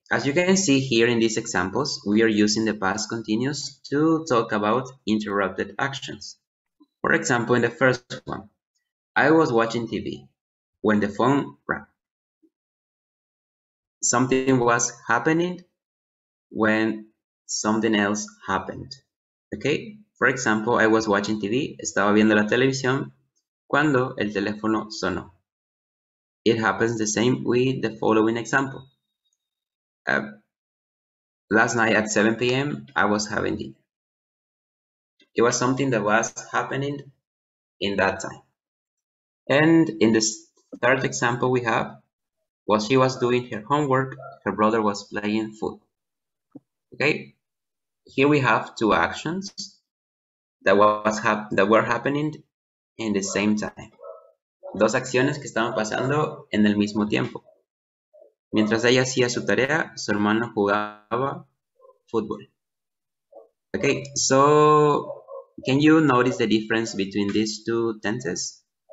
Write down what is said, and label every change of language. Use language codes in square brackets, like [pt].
[en] As you can see here in these examples, we are using the past continuous to talk about interrupted actions. For example, in the first one, I was watching TV when the phone rang. Something was happening when something else happened. Okay? For example, I was watching TV, [es] estaba viendo la televisión cuando el teléfono sonó. [en] It happens the same with the following example. Last night at 7 p.m., I was having dinner. It was something that was happening in that time. And in this third example we have, while she was doing her homework, her brother was playing football. Okay? Here we have two actions that were happening in the same time. [es] Dos acciones que estaban pasando en el mismo tiempo. Mientras ella hacía su tarea, su hermano jugaba fútbol. [en] Okay, so can you notice the difference between these two tenses?